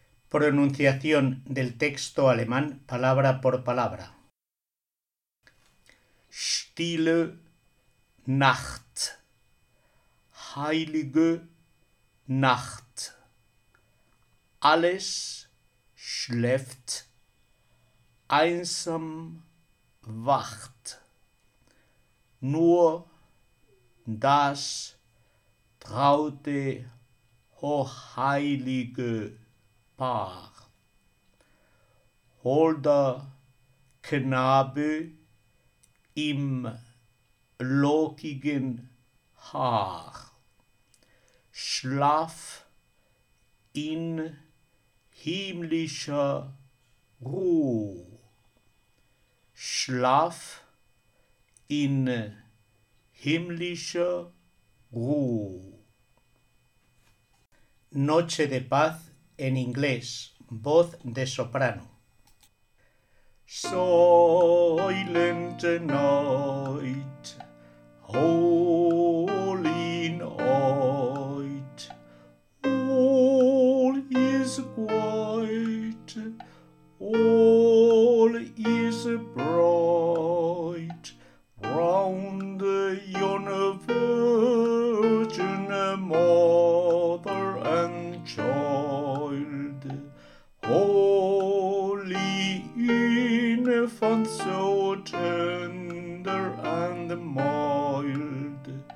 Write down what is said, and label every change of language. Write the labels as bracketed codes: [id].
[es] Pronunciación del texto alemán palabra por palabra. [de] Stille Nacht, heilige Nacht, alles schläft, einsam wacht, nur das traute hochheilige Paar. Holder Knabe im lockigen Haar, schlaf in himmlischer Ruhe, schlaf in himmlischer Ruhe. [es] Noche de paz en inglés, voz de soprano. [en] Silent night, holy night, all is quiet, all is bright, round yon virgin mother and child, holy infant so tender and mild,